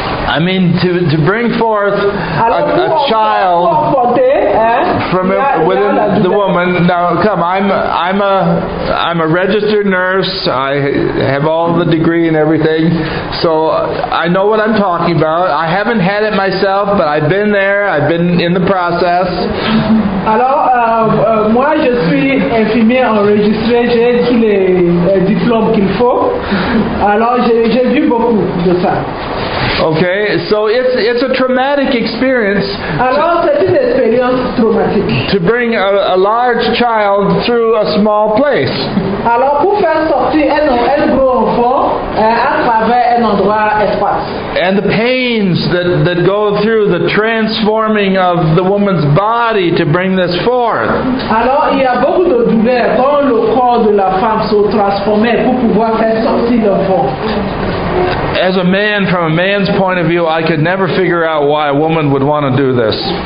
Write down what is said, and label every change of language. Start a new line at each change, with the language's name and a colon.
English: I mean, to bring forth a child from within the woman. Now, come, I'm a registered nurse. I have all the degree and everything, so I know what I'm talking about. I haven't had it myself, but I've been there. I've been in the process.
French: Alors, moi, je suis infirmière enregistrée. J'ai tous les diplômes qu'il faut. Alors, j'ai vu beaucoup de ça.
English: Okay, so it's a traumatic experience.
French: Alors, c'est une expérience traumatique.
English: To bring a large child through a small place.
French: Alors, pour faire sortir un gros enfant à travers un endroit espace.
English: And the pains that go through the transforming of the woman's body to bring this forth.
French: Alors, il y a beaucoup de douleur quand le corps de la femme se transforme pour pouvoir faire sortir l'enfant.
English: As a man, from a man's point of view, I could never figure out why a woman would want to do this.